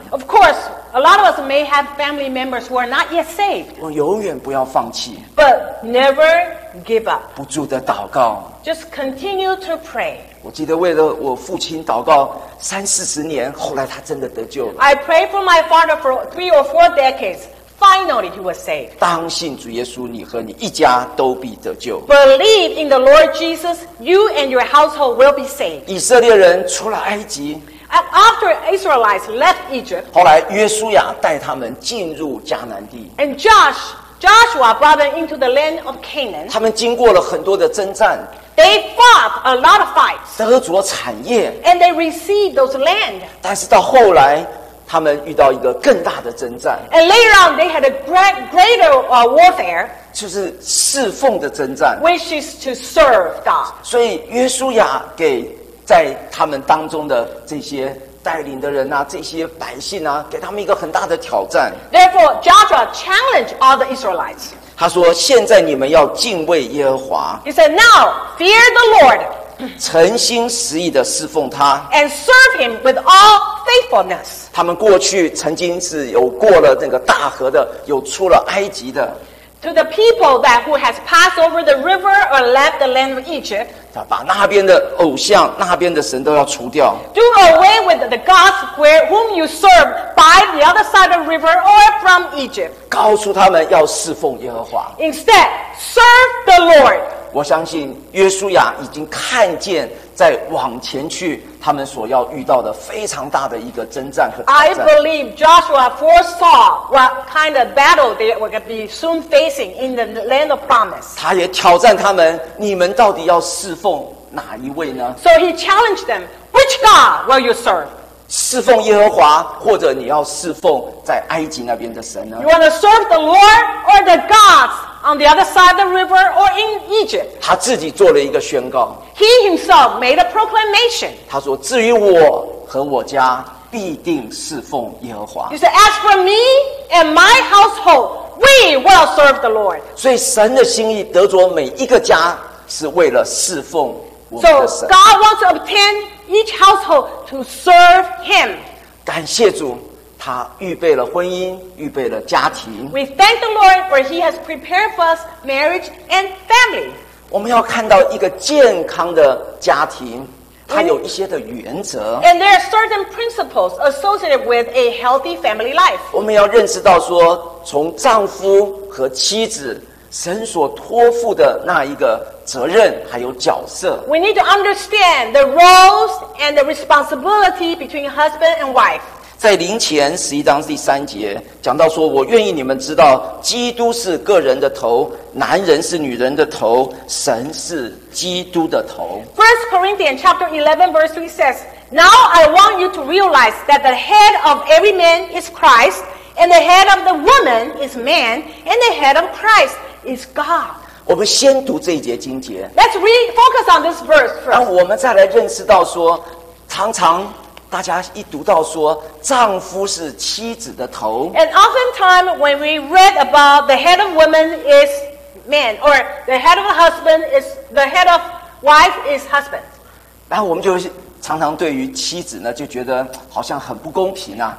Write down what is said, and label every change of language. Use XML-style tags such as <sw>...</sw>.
<en>Of course, a lot of us may have family members who are not yet saved.</en> <zh>我永远不要放弃。</zh> <en>But never give up.</en> <zh>不住的祷告。</zh> <en>Just continue to pray.</en> <zh>我记得为了我父亲祷告三四十年，后来他真的得救了。</zh> <en>I pray for my father for 3 or 4 decades. Finally, he was saved.</en> <zh>当信主耶稣，你和你一家都必得救。</zh> <en>Believe in the Lord Jesus, you and your household will be saved.</en> <zh>以色列人出了埃及。</zh> <en>After Israelites left Egypt,</en> <zh>后来约书亚带他们进入迦南地。</zh> <en>And Joshua brought them into the land of Canaan.</en> <zh>他们经过了很多的征战。</zh> <en>They fought a lot of fights.</en> <zh>得着产业。</zh> <en>And they received those land.</en> <zh>但是到后来，他们遇到一个更大的征战。</zh> <en>And later on, they had a greater warfare.</en> <zh>就是侍奉的征战。</zh> <en>Which is to serve God.</en> <zh>所以约书亚给在他们当中的这些带领的人啊，这些百姓啊，给他们一个很大的挑战。</zh> <en>Therefore, Joshua challenged all the Israelites.</en> <zh>他说：“现在你们要敬畏耶和华。”</zh> <en>He said, "Now fear the Lord."</en> <zh>诚心实意的侍奉他。</zh> <en>And serve him with all faithfulness.</en> <zh>他们过去曾经是有过了那个大河的，有出了埃及的。</zh> <en>To the people that who has passed over the river or left the land of Egypt.</en> <zh>把那边的偶像，那边的神都要除掉。</zh> <en>Do away with the gods whom you serve by the other side of the river or from Egypt.</en> <zh>告诉他们要侍奉耶和华。</zh> <en>Instead, serve the Lord.</en> <zh>我相信约书亚已经看见在往前去他们所要遇到的非常大的一个征战和挑战。</zh> <en>I believe Joshua foresaw what kind of battle they were going to be soon facing in the land of promise.</en> <zh>他也挑战他们，你们到底要侍奉哪一位呢？</zh> <en>So he challenged them, which God will you serve?</en> <zh>侍奉耶和华，或者你要侍奉在埃及那边的神呢？</zh> <en>You want to serve the Lord or the gods on the other side of the river or in Egypt?</en> <zh>他自己做了一个宣告。</zh> <en>He himself made a proclamation.</en> <zh>他说，至于我和我家，必定侍奉耶和华。</zh> <en>He said, as for me and my household, we will serve the Lord.</en> <zh>所以神的心意得着每一个家是为了侍奉我们的神。</zh> <en>So God wants to obtain each household to serve Him.</en> <zh>感谢主，他预备了婚姻，预备了家庭。</zh> <en>We thank the Lord for He has prepared for us marriage and family.</en> <zh>我们要看到一个健康的家庭，它有一些的原则。</zh> <en>And there are certain principles associated with a healthy family life.</en> <zh>我们要认识到说，从丈夫和妻子神所托付的那一个责任还有角色。</zh> <en>We need to understand the roles and the responsibility between husband and wife.</en> <zh>在灵前十一章第三节讲到说，我愿意你们知道，基督是个人的头，男人是女人的头，神是基督的头。</zh> <en>1 Corinthians chapter 11 verse 3 says, Now I want you to realize that the head of every man is Christ, and the head of the woman is man, and the head of Christ is God.</en> <zh>我们先读这一节经节。</zh> <en>Let's refocus on this verse first.</en> <zh>让我们再来认识到说，常常大家一读到说丈夫是妻子的头，</zh> <en>And oftentimes when we read about the head of woman is man, or the head of husband is the head of wife is husband.</en> <zh>然后我们就常常对于妻子呢就觉得好像很不公平啊。</zh>